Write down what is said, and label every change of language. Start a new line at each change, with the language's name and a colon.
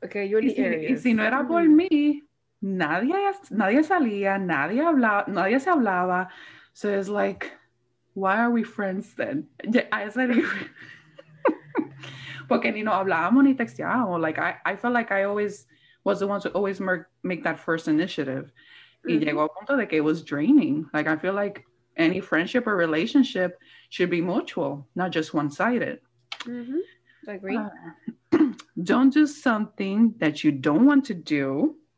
Spanish: Y si no era por mí, nadie salía, nadie se hablaba.
English: So it's like, why are we friends then? I said,
Spanish: porque ni nos hablábamos ni texteábamos.
English: Like, I felt like I always was the one to always make that first initiative. Mm-hmm.
Spanish: Y llegó a punto de que
English: it was draining. Like, I feel like any friendship or relationship should be mutual, not just one-sided. Mm-hmm. I agree. Don't do something that you don't want to do.